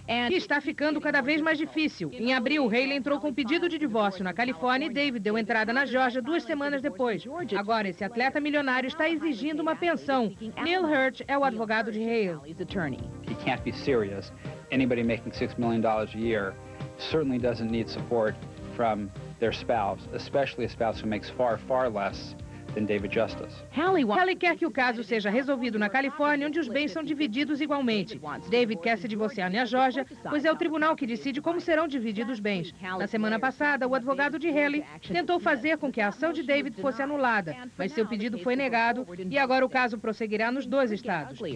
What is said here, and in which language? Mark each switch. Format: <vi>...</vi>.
<pt>E está ficando cada vez mais difícil. Em abril, Halle entrou com um pedido de divórcio na Califórnia e David deu entrada na Geórgia 2 semanas depois. Agora, esse atleta milionário está exigindo uma pensão. Neil Hirsch é o advogado de Halle.</pt> <en>He can't be serious. Anybody making $6 million a year certainly doesn't need support from their spouse, especially a spouse who makes far, far less. David Justice.</en> <pt>Halle quer que o caso seja resolvido na Califórnia, onde os bens são divididos igualmente. David quer se divorciar na Geórgia, pois é o tribunal que decide como serão divididos os bens. Na semana passada, o advogado de Halle tentou fazer com que a ação de David fosse anulada, mas seu pedido foi negado e agora o caso prosseguirá nos 2 estados.</pt>